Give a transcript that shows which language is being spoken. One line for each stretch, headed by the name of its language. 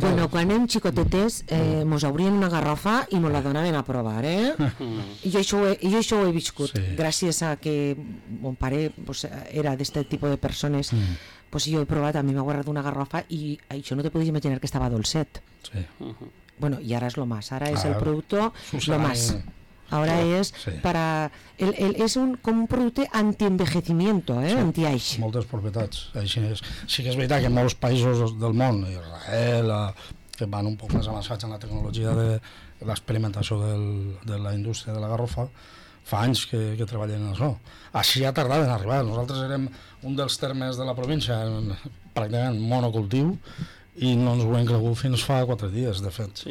Catalan: Bueno, quan érem xicotetes, mos obrien una garrofa i mos la donaven a provar, eh? Jo això ho he viscut, sí. Gràcies a que mon pare, pues, era d'este tipus de persones, pues jo he provat, a mi m'ha guardat una garrofa i això no te podies imaginar que estava dolcet. Sí. Uh-huh. Bueno, i ara és
Spanish: lo más,
Catalan: ara és el producte lo más.
Spanish: Ahora es para el es un como un producto antienvejecimiento, sí,
Catalan: antiaix. Moltes propietats. Així és. Sí que és veritat que en molts països del món, Israel, que van un poc més avançats en la tecnologia de l'experimentació de la indústria de la garrofa, fa anys que treballen en això. Així ha tardat en arribar. Nosaltres érem un dels termes de la província en pràcticament monocultiu i no ens ho hem cregut fins fa 4 dies, de fet.